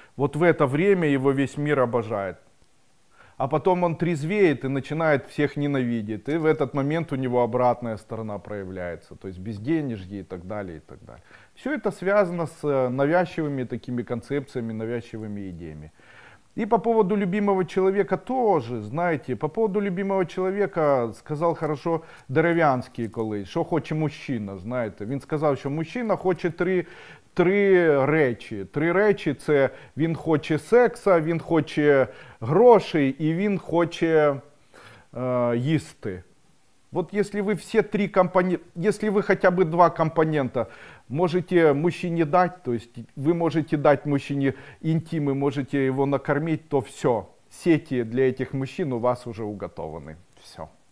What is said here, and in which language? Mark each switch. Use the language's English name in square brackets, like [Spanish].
[Russian] Вот в это время его весь мир обожает. А потом он трезвеет и начинает всех ненавидеть. И в этот момент у него обратная сторона проявляется, то есть безденежье и так далее, и так далее. Все это связано с навязчивыми такими концепциями, навязчивыми идеями. И по поводу любимого человека тоже, знаете, по поводу любимого человека сказал хорошо Деревянский колись, что хочет мужчина, знаете. [Ukrainian] Він сказав, що мужчина хоче три речі. Три речі – це він хоче секса, він хоче грошей і він хоче їсти. [Russian] Вот если вы все три компонента, если вы хотя бы два компонента можете мужчине дать, то есть вы можете дать мужчине интим и можете его накормить, то все, сети для этих мужчин у вас уже уготованы. Все.